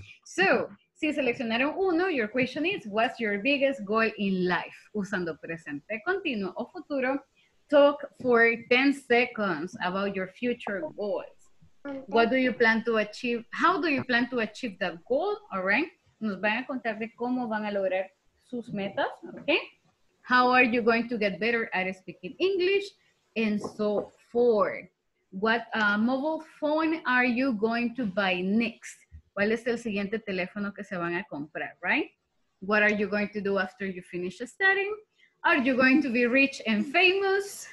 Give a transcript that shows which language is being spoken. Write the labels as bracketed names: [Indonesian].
[English] So, [Spanish] si seleccionaron uno, [English] your question is, what's your biggest goal in life? [Spanish] Usando presente, continuo o futuro. [English] Talk for 10 seconds about your future goals. What do you plan to achieve? How do you plan to achieve that goal? All right. [Spanish] Nos van a contar de cómo van a lograr sus metas. [English] Okay. How are you going to get better at speaking English? And so forth. What mobile phone are you going to buy next? [Spanish] ¿Cuál es el siguiente teléfono que se van a comprar? [English] Right. What are you going to do after you finish studying? Are you going to be rich and famous?